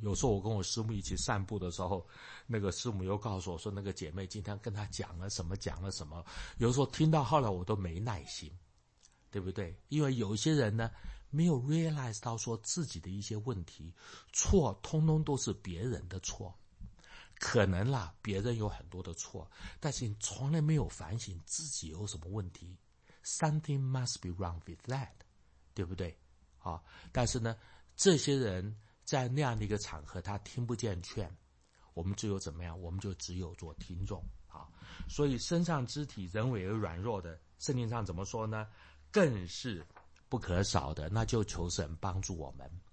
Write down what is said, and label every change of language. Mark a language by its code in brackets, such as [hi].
[zh] 有时候我跟我师母一起散步的时候，那个师母又告诉我说，那个姐妹今天跟她讲了什么，讲了什么。有时候听到后来我都没耐心，对不对？因为有些人呢没有 realize 到说自己的一些问题，错通通都是别人的错。可能啦，别人有很多的错，但是你从来没有反省自己有什么问题。 [en] Something must be wrong with that， [zh] 对不对？啊，但是呢，这些人在那样的一个场合，他听不见劝，我们只有怎么样？我们就只有做听众啊。所以身上肢体人为而软弱的，圣经上怎么说呢？更是不可少的，那就求神帮助我们。